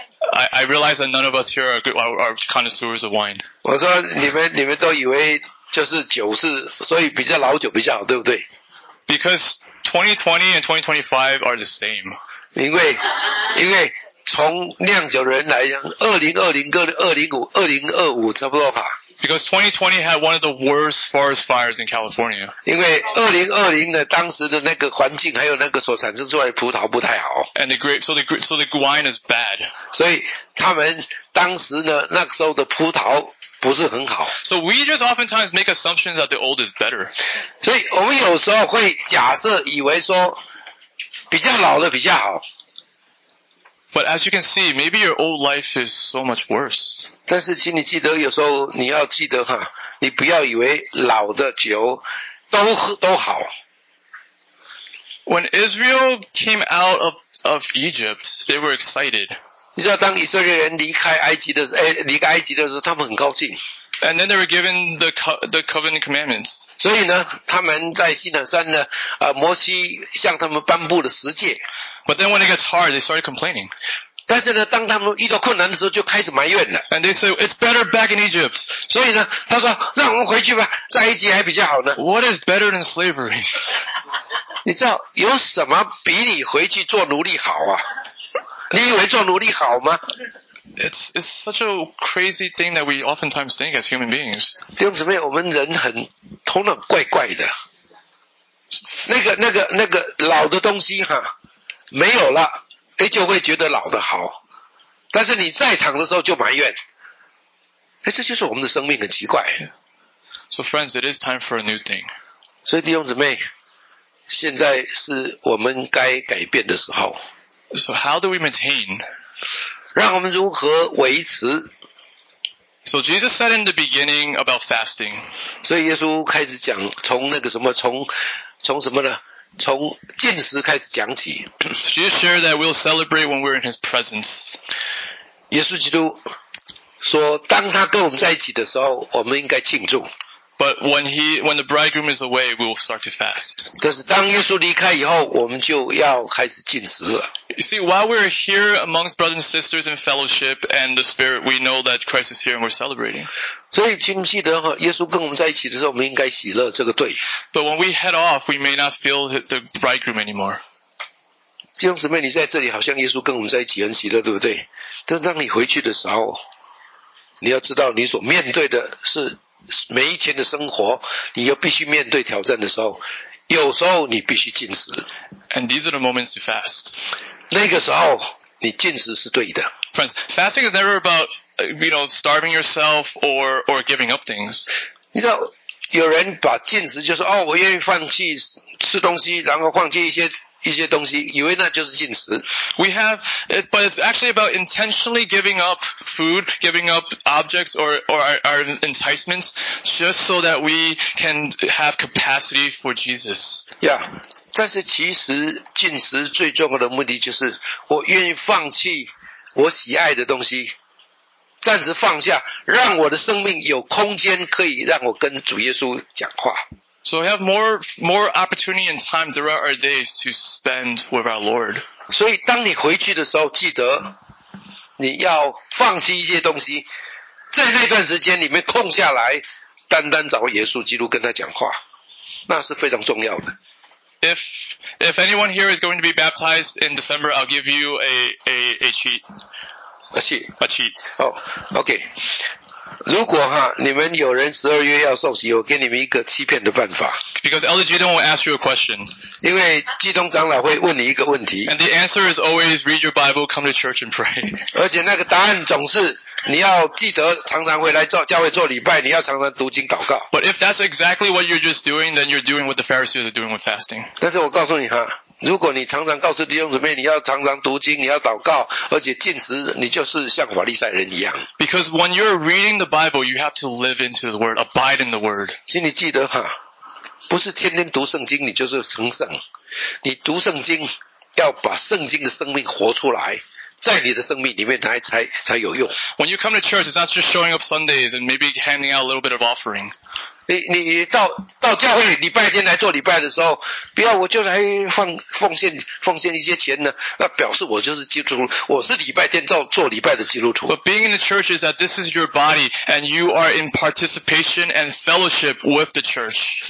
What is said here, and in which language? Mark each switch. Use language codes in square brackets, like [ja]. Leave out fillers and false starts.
[en] I realize that none of us here are connoisseurs of wine. [zh] 我说你们都以为就是酒是，所以比较老酒比较好，对不对？ [en] Because 2020 and 2025 are the same. [zh] 因为从酿酒人来讲，2020跟2025差不多吧。 [en] Because 2020 had one of the worst forest fires in California. [zh] 因为2020的当时的那个环境还有那个所产生出来的葡萄不太好。 [en] And the grape, so the wine is bad. [zh] 所以他们当时呢，那个时候的葡萄不是很好。 [en] So we just oftentimes make assumptions that the old is better. [zh] 所以我们有时候会假设以为说比较老的比较好。 [en] But as you can see, maybe your old life is so much worse. [zh] 但是请你记得，有时候你要记得哈，你不要以为老的酒都好。 [en] When Israel came out of Egypt, they were excited. [zh] 你知道当以色列人离开埃及的时候，离开埃及的时候，他们很高兴。 [en] And then they were given the covenant commandments. [zh] 所以呢，他们在西乃山呢，摩西向他们颁布了十诫。 [en] But then when it gets hard, they started complaining. [zh] 但是呢，当他们遇到困难的时候，就开始埋怨了。 [en] And they say it's better back in Egypt. [zh] 所以呢，他说让我们回去吧，在埃及还比较好呢。 [en] What is better than slavery? [zh] 你知道有什么比你回去做奴隶好啊？你以为做奴隶好吗？ [en] It's such a crazy thing that we oftentimes think as human beings. [zh] 弟兄姊妹，我们人很头脑怪怪的。那个老的东西哈，没有了，哎，就会觉得老的好。但是你在场的时候就埋怨，哎，这就是我们的生命很奇怪。 [en] So friends, it is time for a new thing. [zh] 所以弟兄姊妹，现在是我们该改变的时候。 [en] So how do we maintain? [zh] 让我们如何维持 [en] ？So Jesus said in the beginning about fasting. [zh] 所以耶稣开始讲，从那个什么，从什么呢？从禁食开始讲起。 [en] Jesus shared that we'll celebrate when we're in His presence. [zh] 耶稣基督说，当他跟我们在一起的时候，我们应该庆祝。 [en] But when the bridegroom is away, we will start to fast. [zh] 但是当耶稣离开以后，我们就要开始禁食了。 [en] You see, while we're here amongst brothers and sisters in fellowship and the Spirit, we know that Christ is here and we're celebrating. [zh] 所以请记得，耶稣跟我们在一起的时候，我们应该喜乐，这个对。 [en] But when we head off, we may not feel the bridegroom anymore. [zh] 弟兄姊妹，你在这里好像耶稣跟我们在一起很喜乐，对不对？但当你回去的时候，你要知道你所面对的是每一天的生活，你又必须面对挑战的时候，有时候你必须禁食。 [en] And these are the moments to fast. [zh] 那个时候，你禁食是对的。 [en] Friends, fasting is never about, you know, starving yourself or giving up things. [zh] 你知道，有人把禁食就是哦，我愿意放弃吃东西，然后放弃一些东西，以为那就是禁食。 [en] We have, but it's actually about intentionally giving up food, giving up objects or our enticements, just so that we can have capacity for Jesus. Yeah. [zh] 但是其实禁食最重要的目的就是，我愿意放弃我喜爱的东西，暂时放下，让我的生命有空间可以让我跟主耶稣讲话。 [en] So we have more opportunity and time throughout our days to spend with our Lord. [zh] 所以当你回去的时候，记得你要放弃一些东西，在那段时间里面空下来，单单找耶稣基督跟他讲话，那是非常重要的。 [en] If anyone here is going to be baptized in December, I'll give you a cheat. A cheat. A cheat. Oh, okay. [zh] 如果哈，你们有人十二月要受洗，我给你们一个欺骗的办法。 [en] Because Elder Jidong will ask you a question. [zh] 因为基东长老会问你一个问题。 [en] And the answer is always read your Bible, come to church and pray. [zh] 而且那个答案总是你要记得常常回来做教会做礼拜，你要常常读经祷告。 [en] But if that's exactly what you're just doing, then you're doing what the Pharisees are doing with fasting. [zh] 但是我告诉你哈，如果你常常告诉弟兄姊妹你要常常读经，你要祷告，而且禁食，你就是像法利赛人一样。 [en] Because when you're reading the Bible, you have to live into the Word, abide in the Word. [zh] 请你记得哈，不是天天读圣经你就是成圣，你读圣经要把圣经的生命活出来，在你的生命里面才有用。 [en] When you come to church, it's not just showing up Sundays and maybe handing out a little bit of offering. [zh] 你到教会礼拜天来做礼拜的时候，不要我就来奉献一些钱呢，那表示我就是基督徒，我是礼拜天做礼拜的基督徒。 [en] But being in the church is that this is your body and you are in participation and fellowship with the church.